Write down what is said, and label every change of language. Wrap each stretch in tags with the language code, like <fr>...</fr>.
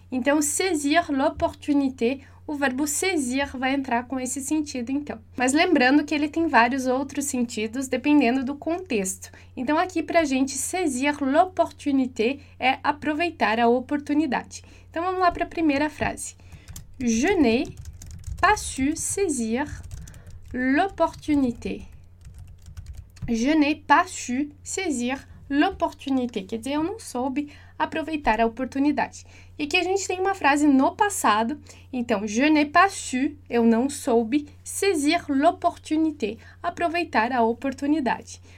<pt>Então, saisir l'opportunité, o verbo saisir vai entrar com esse sentido, então. Mas lembrando que ele tem vários outros sentidos, dependendo do contexto. Então, aqui pra gente, saisir l'opportunité é aproveitar a oportunidade. Então, vamos lá para a primeira frase.</pt> <fr>Je n'ai pas su saisir l'opportunité. Je n'ai pas su saisir l'opportunité,</fr> <pt>quer dizer, eu não soube aproveitar a oportunidade. E aqui a gente tem uma frase no passado, então,</pt> <fr>je n'ai pas su,</fr> <pt>eu não soube, saisir l'opportunité, aproveitar a oportunidade.</pt>